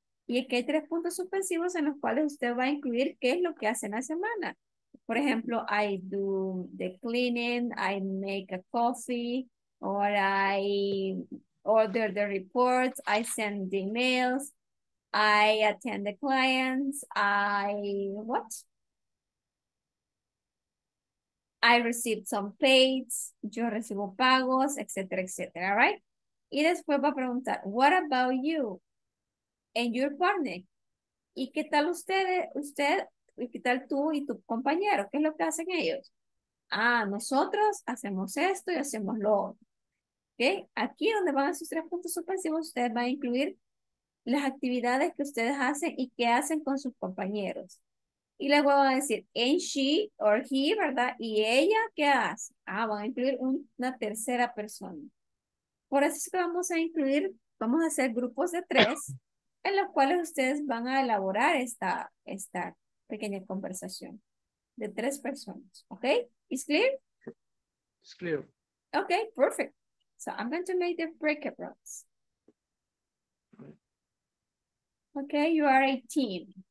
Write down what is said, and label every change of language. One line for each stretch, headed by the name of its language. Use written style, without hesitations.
Spanish: Y aquí hay tres puntos suspensivos en los cuales usted va a incluir qué es lo que hace en la semana. Por ejemplo,
English: I do the cleaning, I make a coffee, or I order the reports, I send the emails, I attend the clients, I received some pays,
Spanish: yo recibo pagos, etcétera, etcétera,
English: right?
Spanish: Y después va a preguntar,
English: what about you and your partner?
Spanish: ¿Y qué tal ustedes, usted, y qué tal tú y tu compañero? ¿Qué es lo que hacen ellos? Ah, nosotros hacemos esto y hacemos lo otro. ¿Okay? Aquí donde van a sus tres puntos suspensivos, ustedes van a incluir las actividades que ustedes hacen y qué hacen con sus compañeros. Y les voy a decir,
English: and she or he,
Spanish: ¿verdad? ¿Y ella qué hace? Ah, van a incluir una tercera persona. Por eso es que vamos a incluir, vamos a hacer grupos de tres en los cuales ustedes van a elaborar esta pequeña conversación de tres personas. ¿Ok? ¿Es clear? It's clear. Ok, perfect. So I'm going to make the breakout rooms. Ok, you are 18.